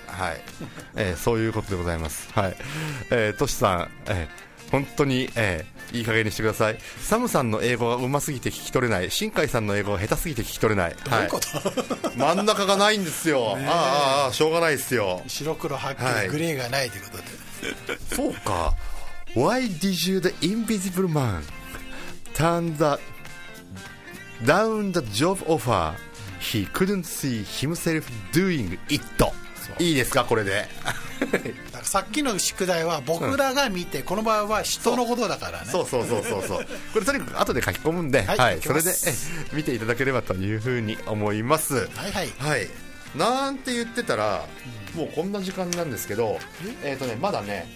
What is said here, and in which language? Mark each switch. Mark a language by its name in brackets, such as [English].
[Japanese] はい、そういうことでございます。はい、トシさん、本当に、いい加減にしてください。サムさんの英語が上手すぎて聞き取れない、新海さんの英語が下手すぎて聞き取れない。どういうこと、はい、真ん中がないんですよ、ね、ああしょうがないですよ、白黒はっきり、はい、グレーがないということで。そうか、 [English] Why did you the invisible man turn the down the job offer he couldn't see himself doing it? [Japanese] いいですかこれで。だからさっきの宿題は僕らが見て、うん、この場合は人のことだからね。そうそうそうそうそう。これとにかく後で書き込むんで、はい、はい、それで見ていただければというふうに思います。はいはい。はい、なんて言ってたら、うん、もうこんな時間なんですけど、ねまだね、